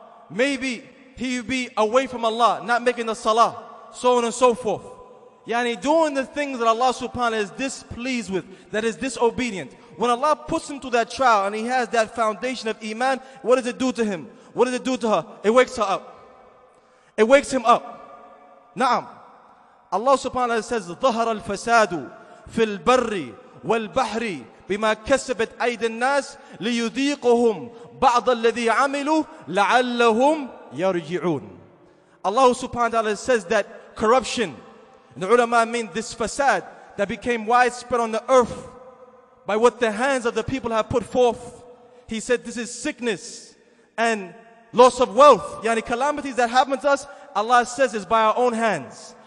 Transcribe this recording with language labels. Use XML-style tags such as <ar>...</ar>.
<en>Maybe he'll be away from Allah, not making the salah, so on and so forth. Yani doing the things that Allah subhanahu wa ta'ala is displeased with, that is disobedient. When Allah puts him through that trial and he has that foundation of iman, what does it do to him? What does it do to her? It wakes her up. It wakes him up.</en> <ar>Na'am, Allah subhanahu wa ta'ala says, ظَهَرَ الْفَسَادُ فِي الْبَرِّ وَالْبَحْرِ بِمَا كَسَبَتْ أَيْدِ النَّاسِ لِيُذِيقُهُمْ بَعْضَ الَّذِي عَمِلُوا لَعَلَّهُمْ يَرْجِعُونَ.</ar> <en>Allah subhanahu wa ta'ala says that corruption, the ulama mean this fasad that became widespread on the earth by what the hands of the people have put forth. He said, this is sickness and loss of wealth. Yani calamities that happen to us, Allah says is by our own hands.</en>